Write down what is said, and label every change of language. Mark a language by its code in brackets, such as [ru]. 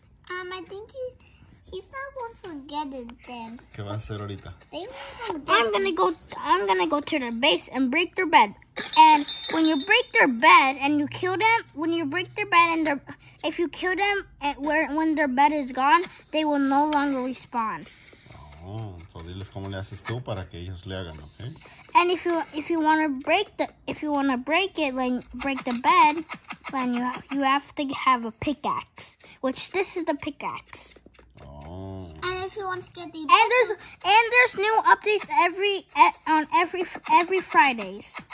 [en] I think he's not going to get it then. [es] ¿Qué va a hacer ahorita? [en] I'm going to go to their base and break their bed. And when you break their bed and you kill them, when you break their bed and if you kill them when their bed is gone, they will no longer respawn. Oh, so [es] diles cómo le haces tú para que ellos le hagan, okay? [en] And if you want to break the bed, then you have to have a pickaxe, which this is the pickaxe. Oh. And if you want to get the there's new updates every Fridays.